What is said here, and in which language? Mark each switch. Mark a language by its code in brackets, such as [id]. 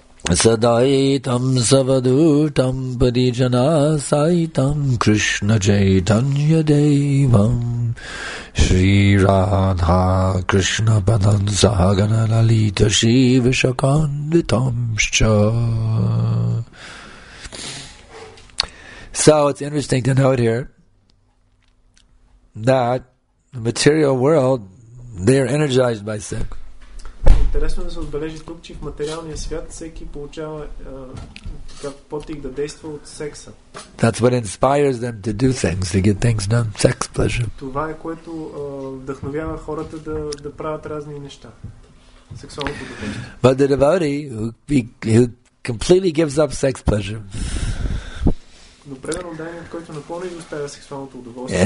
[sa] Sadaitam Savadutam Padijana Saitam Krishna Chaitanya Devam Shri Radha Krishna Padan Sahagana Lalita Shri Vishakanditamscha. [en] So it's interesting to note here that the material world, they are energized by sex. [bg] Интересно да се отбележи тук, че в материалния свят всеки получава потик да действа от секса. [en] That's what inspires them to do things, to get things done, sex pleasure. [bg] Това е което вдъхновява хората да правят разни неща. Сексуално удоволствие. [en] But the devotee who completely gives up sex pleasure. [bg] Но примерно даният, който напълно изоставя сексуалното удоволствие.